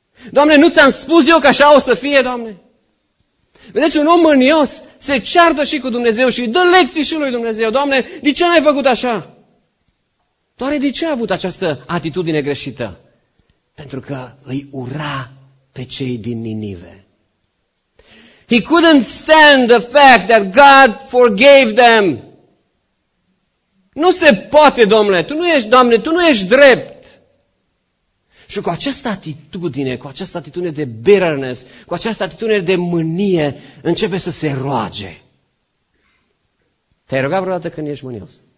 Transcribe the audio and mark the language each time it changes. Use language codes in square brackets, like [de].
[ro] Doamne, nu ți-am spus eu că așa o să fie, Doamne? Vedeți, un om mânios se ceartă și cu Dumnezeu și dă lecții și lui Dumnezeu. Doamne, de ce n-ai făcut așa? Doar de ce a avut această atitudine greșită? Pentru că îi ura pe cei din Ninive. [en] He couldn't stand the fact that God forgave them. [ro] Nu se poate, Doamne, tu nu ești drept. Și cu această atitudine, cu această atitudine de bitterness, cu această atitudine de mânie, începe să se roage. Te-ai rugat vreodată când ești mânios?